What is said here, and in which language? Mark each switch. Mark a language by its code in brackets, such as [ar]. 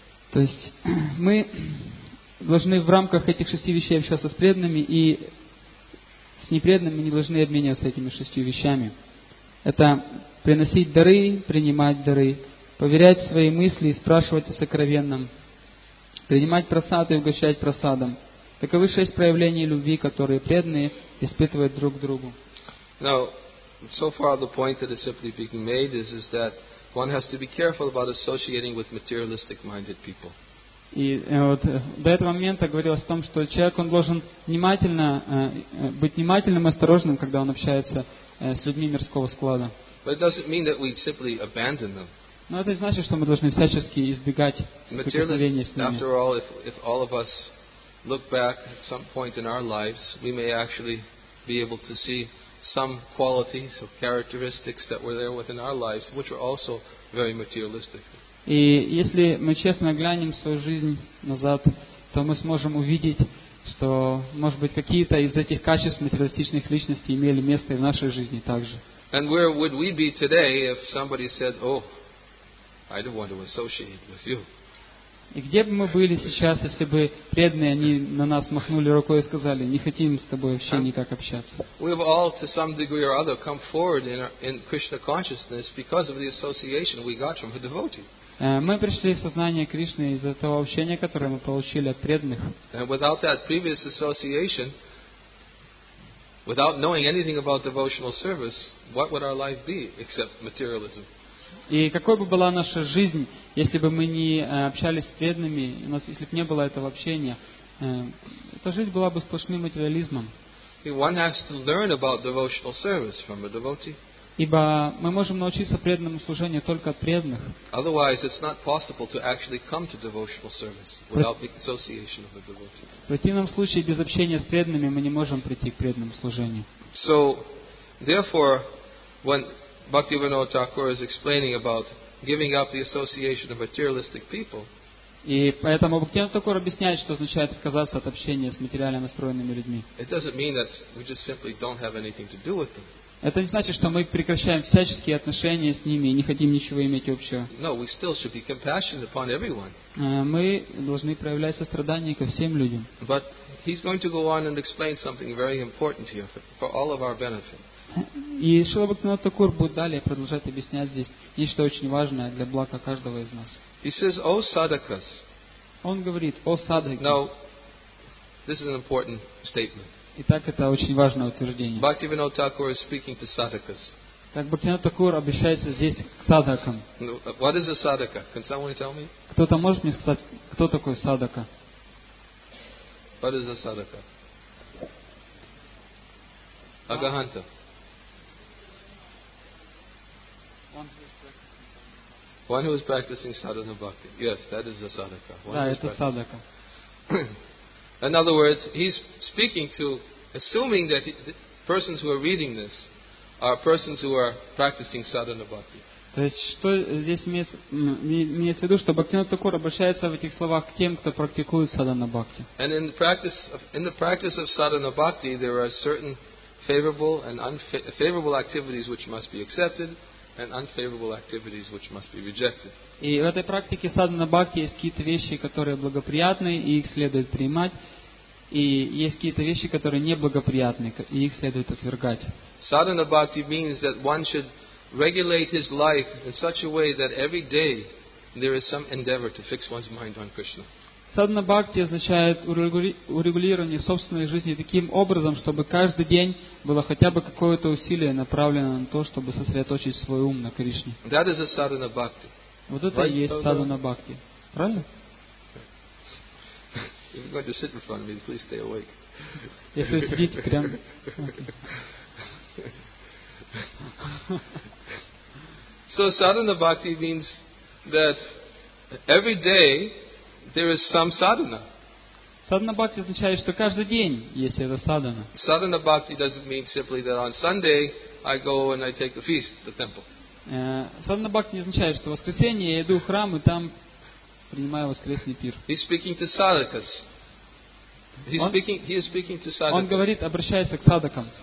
[ru] То есть мы должны в рамках этих шести вещей общаться с преданными, и с непреданными не должны обмениваться этими шестью вещами. Это приносить дары, принимать дары, поверять свои мысли и спрашивать о сокровенном, принимать просад и угощать просадом. Таковы шесть проявлений любви, которые преданные испытывают друг к другу. [en] Now, so far the point that is simply being made is that one has to be careful about associating with materialistic-minded people. [ru] И вот до этого момента говорилось о том, что человек, он должен внимательно, быть внимательным и осторожным, когда он общается с людьми мирского склада. [en] But it doesn't mean that we simply abandon them. [ru] Но это не значит, что мы должны всячески избегать соприкосновения с ними. [en] After all, if all of us look back at some point in our lives, we may actually be able to see some qualities or characteristics that were there within our lives, which were also very materialistic. [ru] И если мы честно глянем свою жизнь назад, то мы сможем увидеть, что, может быть, какие-то из этих качеств материалистичных личностей имели место и в нашей жизни также. [en] And where would we be today if somebody said, "Oh, I don't want to associate with you"? [ru] И где бы мы были сейчас, если бы преданные они на нас махнули рукой и сказали: "Не хотим с тобой вообще никак общаться"? [en] We have all, to some degree or other, come forward in Krishna consciousness because of the association we got from the devotee. [ru] Мы пришли в сознание Кришны из-за того общения, которое мы получили от преданных. [en] And without that previous association, without knowing anything about devotional service, what would our life be except materialism? [ru] И какой бы была наша жизнь, если бы мы не общались с преданными, у нас, если бы не было этого общения, эта жизнь была бы сплошным материализмом. [en] One has to learn about devotional service from a devotee. [ru] Ибо мы можем научиться преданному служению только от преданных. [en] Otherwise, it's not possible to actually come to devotional service without the association of a devotee. [ru] В противном случае, без общения с преданными, мы не можем прийти к преданному служению. [en] So, therefore, when Bhaktivinoda Thakur is explaining about giving up the association of materialistic people. [ru] И поэтому Бхактивинода Такура объясняет, что означает отказаться от общения с материально настроенными людьми. [en] It doesn't mean that we just simply don't have anything to do with them. [ru] Это не значит, что мы прекращаем всяческие отношения с ними и не хотим ничего иметь общего. [en] No, we still should be compassionate upon everyone. [ru] Мы должны проявлять сострадание ко всем людям. [en] But he's going to go on and explain something very important here for all of our benefit. [ru] И Шрила Бхактивинода Тхакур будет далее продолжать объяснять здесь нечто очень важное для блага каждого из нас. [en] He says, "O sadhakas." [ru] Он говорит, о садхаки. [en] Now, this is an important statement. [ru] Итак, это очень важное утверждение. [en] Bhaktivinoda Thakur is speaking to sadhakas. [ru] Так Бхактивинода Тхакур обращается здесь к садхакам. [en] What is a sadhaka? Can someone tell me? [ru] Кто-то может мне сказать, кто такой садхака? [en] What is a sadhaka? Agahanta. One who is practicing sadhana bhakti. Yes, that is a sadhaka. [ru] Да, это садхака. [en] In other words, he's speaking to, assuming that the persons who are reading this are persons who are practicing sadhana bhakti. [ru] То есть, что здесь имеется в виду, что Бхактивинода Тхакур обращается в этих словах к тем, кто практикует садхана бхакти. [en] And in the practice of sadhana bhakti, there are certain favorable and unfavorable activities which must be accepted and unfavorable activities which must be rejected. [ru] И в этой практике садхана бхакти есть какие-то вещи, которые благоприятны, и их следует принимать, и есть какие-то вещи, которые неблагоприятны, и их следует отвергать. [en] Sadhana bhakti means that one should regulate his life in such a way that every day there is some endeavor to fix one's mind on Krishna. [ru] Sadhana bhakti означает урегулирование собственной жизни таким образом, чтобы каждый день было хотя бы какое-то усилие направлено на то, чтобы сосредоточить свой ум на Кришне. [en] That is a sadhana bhakti. [ru] Вот это и есть sadhana bhakti. Правильно? [en] If you're going to sit in front of me, please stay awake. [ru] Если сидите прямо. [en] So sadhana bhakti means that every day there is some sadhana. [ru] Sadhana bhakti означает, что каждый день есть эта садхана. [en] Sadhana bhakti doesn't mean simply that on Sunday I go and I take the feast, the temple. [ru] Sadhana bhakti не означает, что в воскресенье я иду в храм и там принимаю воскресный пир. [en] He's speaking to sadhakas. He is speaking to sadhakas. [ru] Он говорит, обращается к садхакам.